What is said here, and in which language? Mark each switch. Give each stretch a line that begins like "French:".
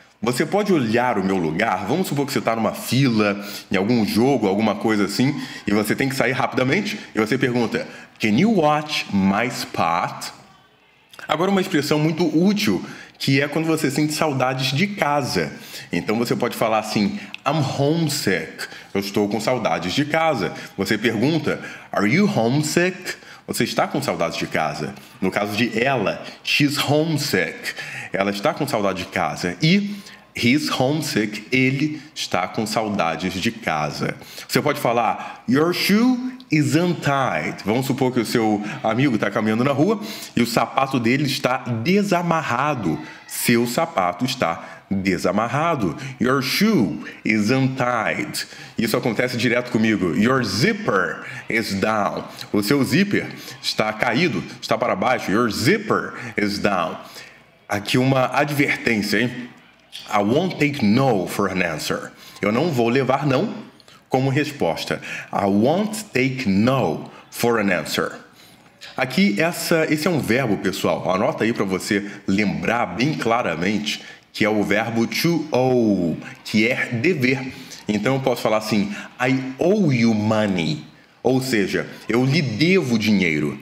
Portuguese: Você pode olhar o meu lugar? Vamos supor que você está numa fila, em algum jogo, alguma coisa assim, e você tem que sair rapidamente, e você pergunta,
English: can you watch my spot?
Portuguese: Agora uma expressão muito útil, que é quando você sente saudades de casa. Então você pode falar assim,
English: I'm homesick.
Portuguese: Eu estou com saudades de casa. Você pergunta,
English: are you homesick?
Portuguese: Você está com saudades de casa. No caso de ela,
English: she's homesick.
Portuguese: Ela está com saudade de casa. E
English: he's homesick.
Portuguese: Ele está com saudades de casa. Você pode falar,
English: your shoe is untied.
Portuguese: Vamos supor que o seu amigo está caminhando na rua e o sapato dele está desamarrado. Seu sapato está desamarrado.
English: Your shoe is untied.
Portuguese: Isso acontece direto comigo.
English: Your zipper is down.
Portuguese: O seu zíper está caído, está para baixo.
English: Your zipper is down.
Portuguese: Aqui uma advertência, hein?
English: I won't take no for an answer.
Portuguese: Eu não vou levar não como resposta.
English: I won't take no for an answer.
Portuguese: Aqui, esse é um verbo, pessoal. Anota aí para você lembrar bem claramente que é o verbo to owe, que é dever. Então, eu posso falar assim,
English: I owe you money.
Portuguese: Ou seja, eu lhe devo dinheiro.